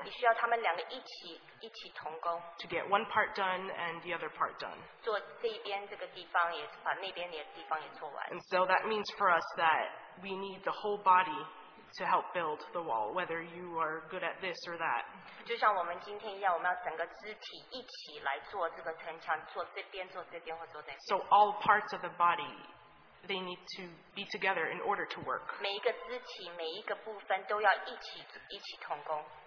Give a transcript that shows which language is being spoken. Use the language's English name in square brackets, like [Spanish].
[English] To get one part done and the other part done. And so that means for us that we need the whole body to help build the wall, whether you are good at this or that. [Chinese] 就像我们今天一样，我们要整个肢体一起来做这个城墙，做这边，做这边，或做这边。 [English] So all parts of the body, they need to be together in order to work. [Chinese] 每一个肢体，每一个部分都要一起同工。